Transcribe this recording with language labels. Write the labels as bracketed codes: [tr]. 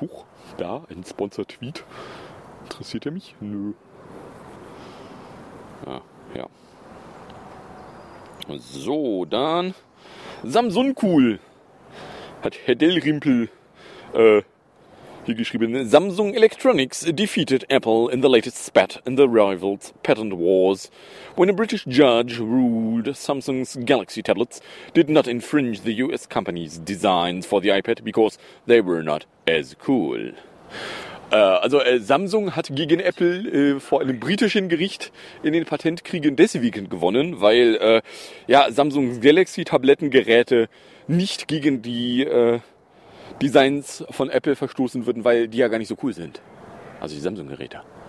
[de] Huch, da, ein Sponsor-Tweet. Interessiert er mich? Nö. Ja, ja. So, dann Samsung cool. Hat Herr Dellrimpel hier geschrieben. [en] Samsung Electronics defeated Apple in the latest spat in the rivals' patent wars when a British judge ruled Samsung's Galaxy tablets did not infringe the US company's designs for the iPad because they were not as cool. [de] Samsung hat gegen Apple vor einem britischen Gericht in den Patentkriegen deswegen gewonnen, weil Samsungs Galaxy-Tablettengeräte nicht gegen die Designs von Apple verstoßen würden, weil die ja gar nicht so cool sind. Also die Samsung-Geräte.